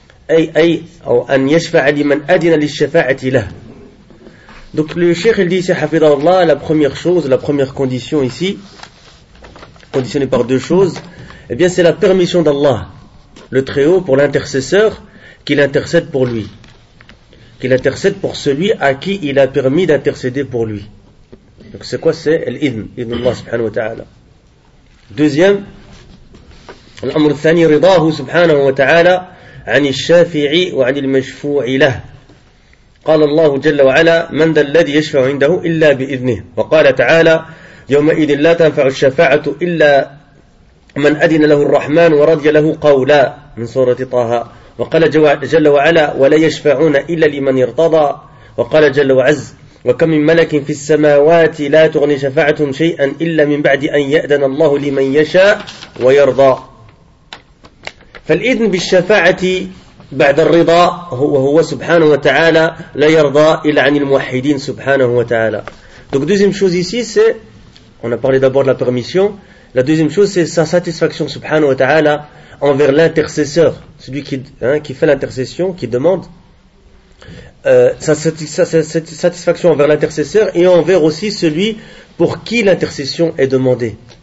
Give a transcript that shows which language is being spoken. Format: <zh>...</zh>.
<ar>أي أو أن يشفع لمن أدنى للشفاعة له.</ar> <fr>Donc le cheikh il dit ici,</fr> <ar>حفظه الله,</ar> <fr>la première chose, la première condition ici, conditionnée par deux choses, eh bien c'est la permission d'Allah, le Très-Haut, pour l'intercesseur, qu'il intercède pour lui. Qu'il intercède pour celui à qui il a permis d'intercéder pour lui. Donc c'est quoi? C'est l'idn,</fr> <ar>idn Allah subhanahu wa ta'ala.</ar> <fr>Deuxième, l'amr</fr> <ar>الثاني, رضاه subhanahu wa ta'ala, عن الشافعي وعن المشفوع له. قال الله جل وعلا من ذا الذي يشفع عنده إلا بإذنه. وقال تعالى يومئذ لا تنفع الشفاعة إلا من أذن له الرحمن ورضي له قولا من سورة طه. وقال جل وعلا ولا يشفعون إلا لمن ارتضى. وقال جل وعز وكم من ملك في السماوات لا تغني شفاعة شيئا إلا من بعد أن يأذن الله لمن يشاء ويرضى. فالإذن بالشفاعة بعد الرضا هو سبحانه وتعالى لا يرضى إلا عن الموحدين سبحانه وتعالى.</ar> <fr>Donc deuxième chose ici c'est, on a parlé d'abord de la permission, la deuxième chose c'est sa satisfaction</fr> <ar>سبحانه وتعالى</ar> <fr>envers l'intercesseur, celui qui fait l'intercession, qui demande, sa satisfaction envers l'intercesseur et envers aussi celui pour qui l'intercession est demandée.</fr>